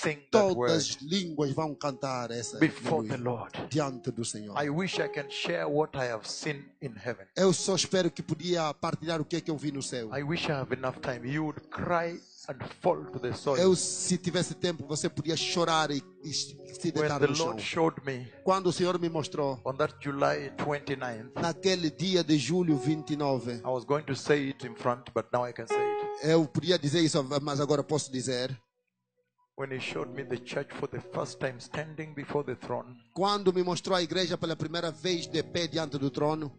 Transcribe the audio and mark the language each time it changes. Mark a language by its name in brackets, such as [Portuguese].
[Portuguese] Todas as línguas vão cantar essa diante do Senhor. [English] I wish I can share what I have seen in heaven. [Portuguese] Eu só espero que podia partilhar o que é que eu vi no céu. [English] I wish I have enough time. You would cry and fall to the soil. [Portuguese] Eu, se tivesse tempo, você podia chorar e se deitar no chão. Quando o Senhor me mostrou, [English] on that July 29th, [Portuguese] naquele dia de julho 29, [English] I was going to say it in front, but now I can say it. [Portuguese] Eu podia dizer isso, mas agora posso dizer. [English] When he showed me the church for the first time standing before the throne. [Portuguese] Quando me mostrou a igreja pela primeira vez de pé diante do trono.